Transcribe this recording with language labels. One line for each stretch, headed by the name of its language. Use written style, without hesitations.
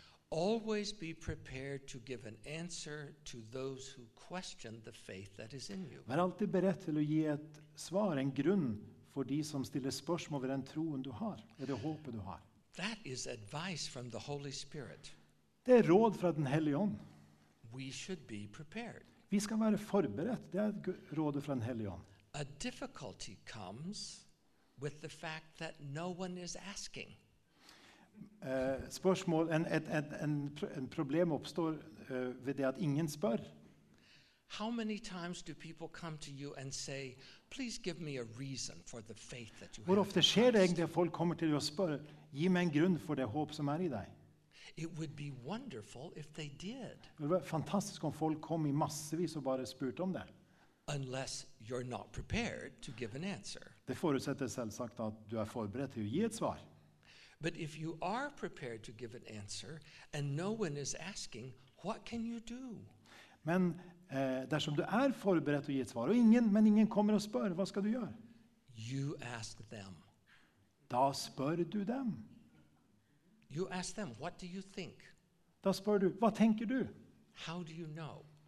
English: Always be prepared to give an answer to those who question the faith that is in you.
Swedish: Var alltid beredd till att ge ett svar, en grund för de som ställer spörsmål över den troen du har, eller det hoppet du har.
English: That is advice from the Holy Spirit.
Swedish: Det är råd från den Helige Ande.
English: We should be prepared.
Swedish: Vi ska vara förberett, det är rådet från den Helige Ande.
English: A difficulty comes with the fact that no one is asking.
Swedish: En problem uppstår vid det att ingen spör.
English: How many times do people come to you and say, please give me a reason for the faith that you have?
Swedish: Hur ofta sker det egentligen att folk kommer till dig och spör, ge mig en grund för det hopp som är i dig?
English: It would be wonderful if they did.
Swedish: Det var fantastiskt om folk kom i massvis och bara spurt om det.
English: Unless you're not prepared to give an answer.
Swedish: Det förutsätter självsagt att du är förberedd till att ge ett svar.
English: But if you are prepared to give an answer and no one is asking, what can you do?
Swedish: Men därsom du är förberedd att ge ett svar och ingen kommer och spör, vad ska du göra?
English: You ask them.
Swedish: Då spör du dem.
English: You ask them, what do you think?
Swedish: Då spör du, vad tänker du?
English: How do you know?